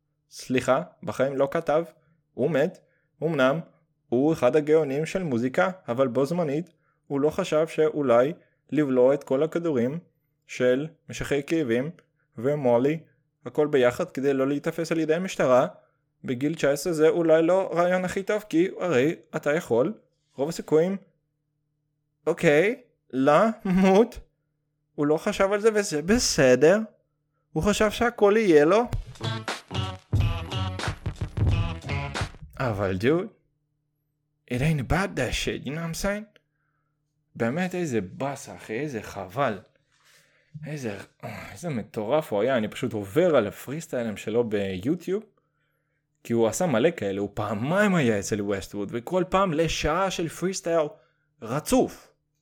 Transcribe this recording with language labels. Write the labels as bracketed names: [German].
[Hebrew] סליחה, בחיים לא כתב, הוא מת, אמנם, הוא אחד הגאונים של מוזיקה, אבל בו זמנית, הוא לא חשב שאולי לבלוע את כל הכדורים של משכי כאבים ומולי, הכל ביחד כדי לא להתאפס על ידי המשטרה, בגיל 19 זה אולי לא רעיון הכי טוב, כי הרי אתה יכול, רוב הסיכויים, אוקיי, למות, הוא לא חשב על זה וזה בסדר, הוא חשב שהכל יהיה לו. [English] אבל דוד, it ain't about that shit, you know what I'm saying? [Hebrew] באמת איזה בס אחי, איזה חבל, איזה מטורף הוא היה, אני פשוט עובר על הפריסטיילים שלו ביוטיוב, כי הוא עשה מלא כאלה, הוא פעמיים היה אצל ווסטווד, וכל פעם לשעה של פריסטייל רצוף.